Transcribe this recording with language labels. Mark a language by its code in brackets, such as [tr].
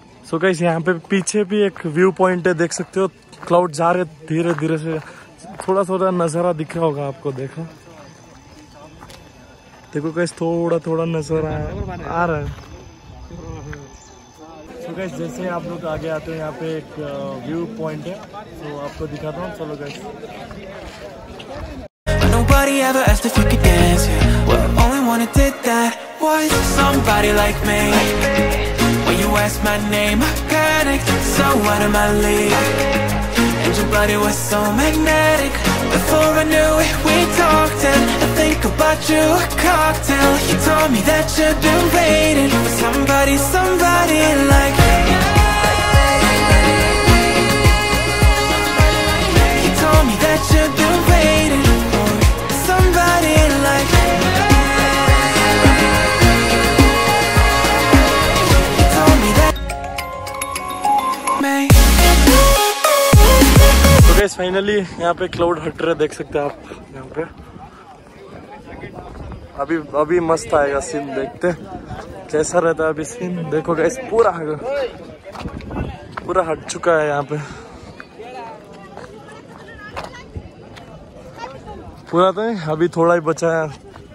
[hi] So guys यहाँ पे पीछे भी एक व्यू पॉइंट है, देख सकते हो क्लाउड जा रहे धीरे धीरे से, थोड़ा थोड़ा नजारा दिख रहा होगा आपको। देखो देखो गाइस थोड़ा थोड़ा नजारा आ रहा है। तो गाइस जैसे आप लोग आगे आते हो यहाँ पे एक व्यू पॉइंट है, तो आपको दिखाता हूँ, चलो guys. [en] Nobody ever asked if you could dance, yeah. Well, only one who did that was somebody like me. When you asked my name, I panicked. So out of my league. And your body was so magnetic. Before I knew it, we talked and I think about you a cocktail. You told me that you'd been waiting for somebody, somebody like me. You told me that you'd been waiting for somebody like me. [hi] Guys finally यहाँ पे cloud हट रहे, देख सकते हैं आप यहाँ पे। अभी अभी मस्त आएगा सीन, देखते कैसा रहता है अभी सीन। देखो गाइस पूरा हट चुका है यहाँ पे, पूरा तो अभी थोड़ा ही बचा है।